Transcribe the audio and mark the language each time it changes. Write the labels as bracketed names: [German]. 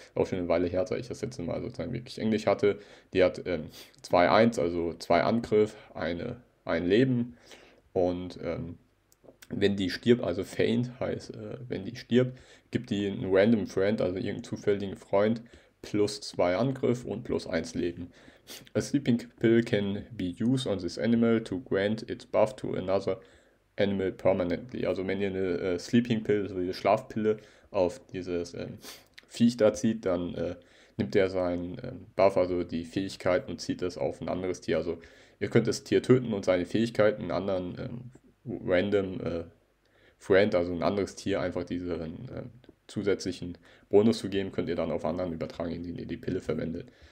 [German] Auch schon eine Weile her, seit ich das letzte Mal sozusagen wirklich Englisch hatte. Die hat 2-1, also 2 Angriff, ein Leben. Und wenn die stirbt, also faint heißt, wenn die stirbt, gibt die einen Random Friend, also irgendeinen zufälligen Freund, plus 2 Angriff und plus 1 Leben. [English] A sleeping pill can be used on this animal to grant its buff to another Animal permanently. [German] Also wenn ihr eine Sleeping Pill, also diese Schlafpille auf dieses Viech da zieht, dann nimmt er seinen Buff, also die Fähigkeiten und zieht das auf ein anderes Tier. Also ihr könnt das Tier töten und seine Fähigkeiten einen anderen random Friend, also ein anderes Tier, einfach diesen zusätzlichen Bonus zu geben, könnt ihr dann auf anderen übertragen, indem ihr die Pille verwendet.